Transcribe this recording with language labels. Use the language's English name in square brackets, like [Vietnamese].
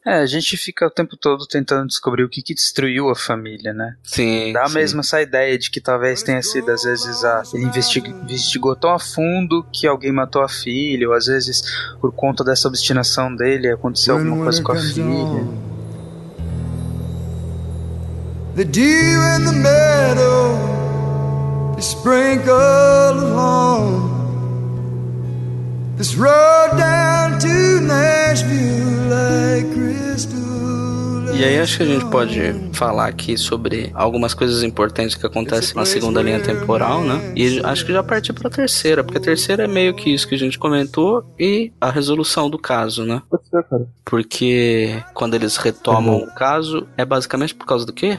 [Portuguese] A gente fica o tempo todo tentando descobrir o que que destruiu a família, né? Sim. Dá mesmo essa ideia de que talvez tenha sido, às vezes, ele investigou tão a fundo que alguém matou a filha, ou às vezes, por conta dessa obstinação dele, aconteceu alguma coisa com a filha. [English] The dew in the meadow is sprinkled along. This road down to Nashville like crystal. [Portuguese] E aí acho que a gente pode falar aqui sobre algumas coisas importantes que acontecem na segunda linha temporal, né? E acho que já partiu pra terceira, porque a terceira é meio que isso que a gente comentou e a resolução do caso, né? Pode ser, cara. Porque quando eles retomam o caso, é basicamente por causa do quê?